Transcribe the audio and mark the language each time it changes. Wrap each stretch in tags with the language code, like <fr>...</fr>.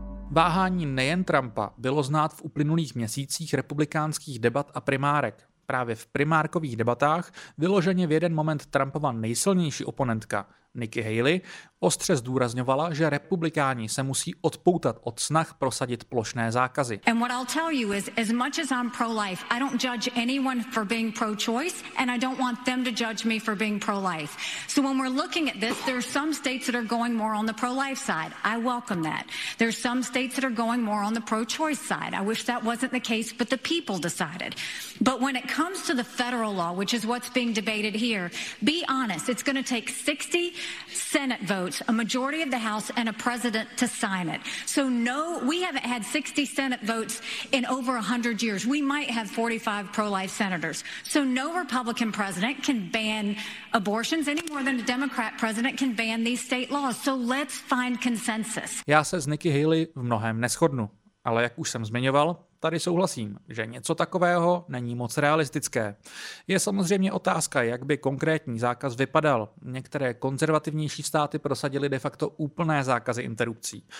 <cs>Váhání nejen Trumpa bylo znát v uplynulých měsících republikánských debat a primárek. Právě v primárkových debatách vyloženě v jeden moment Trumpova nejsilnější oponentka, Nikki Haley, ostře zdůrazňovala, že republikáni se musí odpoutat od snah prosadit plošné zákazy.</cs> <en>And what I'll tell you is, as much as I'm pro-life, I don't judge anyone for being pro-choice, and I don't want them to judge me for being pro-life. So when we're looking at this, there are some states that are going more on the pro-life side. I welcome that. There are some states that are going more on the pro-choice side. I wish that wasn't the case, but the people decided. But when it comes to the federal law, which is what's being debated here, be honest, it's going to take 60 Senate votes, a majority of the House, and a president to sign it. So no, we haven't had 60 Senate votes in over 100 years. We might have 45 pro-life senators. So no Republican president can ban abortions any more than a Democrat president can ban these state laws. So let's find consensus.</en> <cs>Já se s Nikki Haley v mnohem neshodnu, ale jak už jsem zmiňoval, tady souhlasím, že něco takového není moc realistické. Je samozřejmě otázka, jak by konkrétní zákaz vypadal. Některé konzervativnější státy prosadily de facto úplné zákazy interrupcí.</cs>